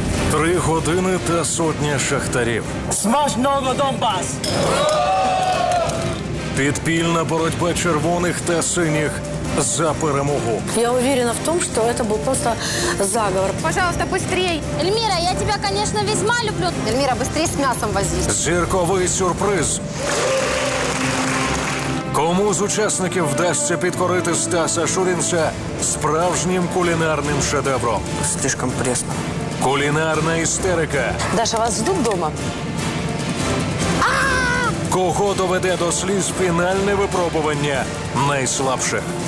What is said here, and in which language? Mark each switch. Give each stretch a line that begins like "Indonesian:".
Ukrainian: Три години та сотня шахтарів. Смажного Донбас! Підпільна боротьба червоних та синіх за перемогу.
Russian: Я уверена в том, что это был просто заговор. Пожалуйста, быстрей. Эльмира, я тебя, конечно, весьма люблю. Эльмира, быстрей с мясом возись.
Ukrainian: Зірковий сюрприз. Кому з учасників вдасться підкорити Стаса Шурінця справжнім кулінарним шедевром?
Russian: Слишком пресно.
Ukrainian: Кулінарна істерика.
Russian: Даша, вас ждут дома?
Ukrainian: Кого доведе до сліз фінальне випробування найслабше?